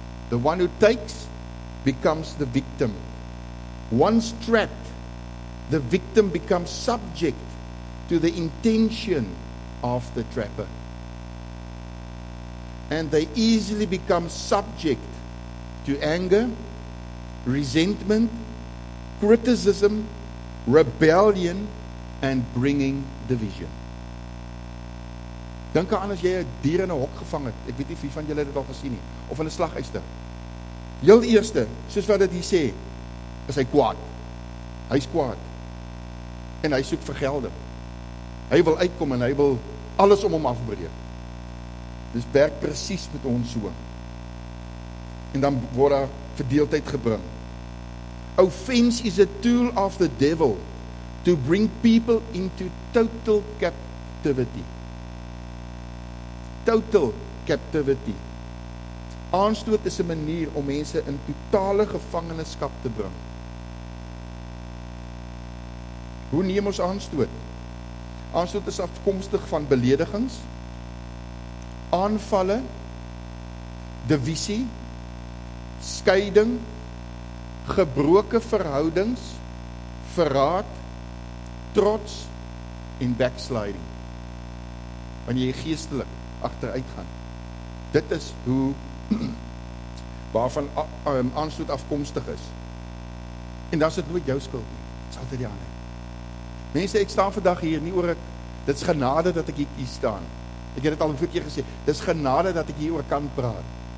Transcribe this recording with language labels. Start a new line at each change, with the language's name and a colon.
English: The one who takes becomes the victim. Once trapped, the victim becomes subject to the intention of the trapper. And they easily become subject to anger, resentment, criticism, rebellion, and bringing division.
Afrikaans: Dink aan as jy 'n dier in 'n hok gevang het. Ek weet nie wie van julle dit al gesien nie. Of in 'n slaghuister. Heel eerste, soos wat dit hier sê, is hy kwaad. Hy is kwaad. En hy soek vergelding. Hy wil uitkom en hy wil alles om hom afbreek. Dis werk presies met ons so. En dan word daar verdeeldheid gebring.
English: Offense is a tool of the devil to bring people into total captivity. Total captivity.
Afrikaans: Aanstoot is 'n manier om mense in totale gevangenskap te bring. Hoe neem ons aanstoot? Aanstoot is afkomstig van beledigings, aanvalle, divisie, skeiding, gebroke verhoudings, verraad, trots en backsliding. Wanneer jy geestelik agteruit gaan. Dit is hoe waarvan aanstoot afkomstig is. En dat is het nooit jou skuld nie. Dit is altyd die ander. Mense, ek staan vandag hier nie oor ek, dit is genade dat ek hier staan. Ek het dit al een voetje gesê, dit is genade dat ek hier oor kan praat.